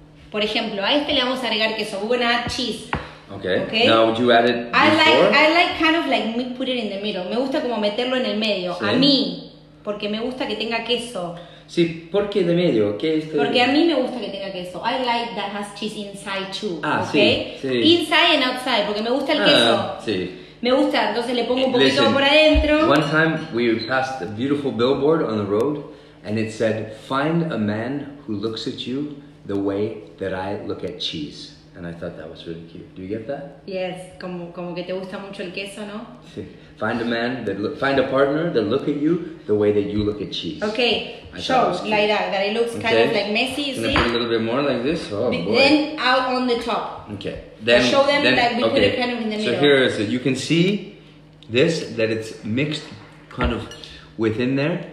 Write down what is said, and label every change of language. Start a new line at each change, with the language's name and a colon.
Spanish: Por ejemplo, a este le vamos a agregar queso.
English: We're gonna add cheese. Okay. Now would you add it before? I like kind of like put it in the middle.
Spanish: Me gusta como meterlo en el medio. Sí. A mí, porque me gusta que tenga queso. Sí, ¿por qué de medio? ¿Qué es de... Porque a mí me gusta que tenga queso.
English: I like that has cheese inside too. Ah, okay?
Spanish: Sí.
English: Inside and outside,
Spanish: porque me gusta el queso. Sí. Me gusta, entonces le pongo un poquito por adentro.
English: One time we passed a beautiful billboard on the road and it said, "Find a man who looks at you the way that I look at cheese." And I thought that was really cute. Do you get that?
Spanish: Yes, como que te gusta mucho el queso, ¿no? Sí.
English: Find a partner that look at you the way that you look at cheese. Okay, like that it looks kind of like messy, you can see? Can I put a little bit more like this? Oh, boy. Then out on the top. Okay. Show them that we put it kind of in the middle. So here is it. You can see this, that it's mixed kind of within there.